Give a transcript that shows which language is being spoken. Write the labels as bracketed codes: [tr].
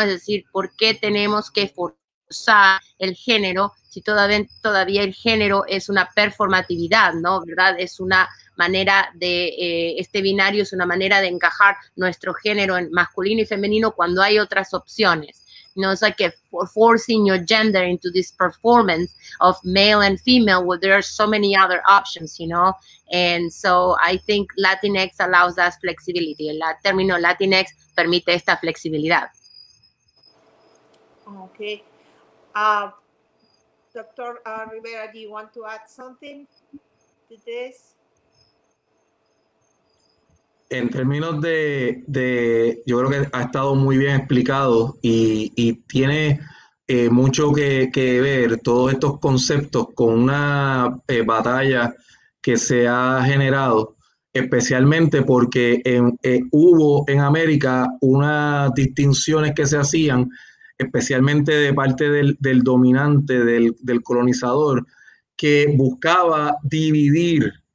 [es] Es decir, ¿por qué tenemos que forzar el género si todavía el género es una performatividad, ¿no? ¿Verdad? Es una manera de, este binario es una manera de encajar nuestro género en masculino y femenino cuando hay otras opciones. [en] No, it's like forcing your gender into this performance of male and female where there are so many other options, you know. And so I think Latinx allows us flexibility. [es] El término Latinx permite esta flexibilidad. [en] Okay. Dr. Rivera, do you want to add something to this? [es] En términos de, yo creo que ha estado muy bien explicado y tiene mucho que ver todos estos conceptos con una batalla que se ha generado, especialmente porque hubo en América unas distinciones que se hacían, especialmente de parte del dominante, del colonizador, que buscaba dividir